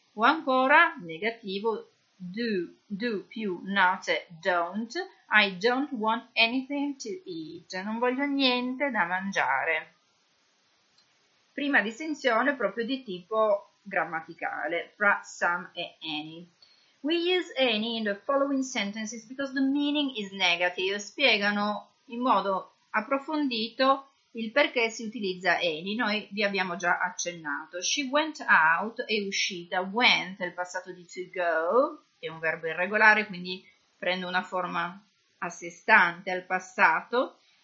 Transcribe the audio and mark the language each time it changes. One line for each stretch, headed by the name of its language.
Italian: O ancora, negativo,
English: do
Italian: più
English: not, don't, I don't want anything to eat.
Italian: Non voglio niente da mangiare. Prima distinzione proprio di tipo grammaticale, fra some e any.
English: We use any in the following sentences because the meaning is negative.
Italian: Spiegano in modo approfondito il perché si utilizza any. Noi vi abbiamo già accennato.
English: She went out,
Italian: è uscita. Went è il passato di to go, è un verbo irregolare, quindi prende una forma a sé stante al passato.